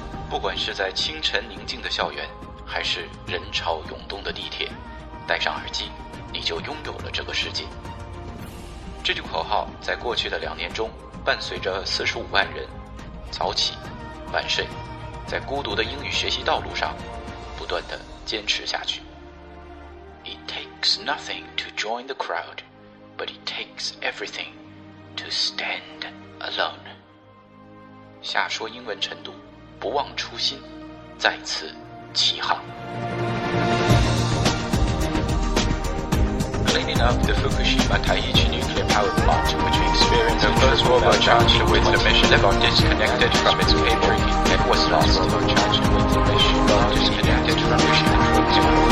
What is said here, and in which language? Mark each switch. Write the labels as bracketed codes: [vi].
[zh] 不管是在清晨宁静的校园，还是人潮涌动的地铁，戴上耳机，你就拥有了这个世界。这句口号在过去的两年中，伴随着450,000人早起晚睡，在孤独的英语学习道路上不断地坚持下去。 [en] It takes nothing to join the crowd, but it takes everything to stand alone. [zh] 下说英文晨读，不忘初心，再次起航。 [en] Cleaning up the Fukushima Taiichi nuclear power plant, which experienced the first robot charged with the mission got disconnected from its cable. It was lost. The first robot charged with the mission got disconnected from its cable.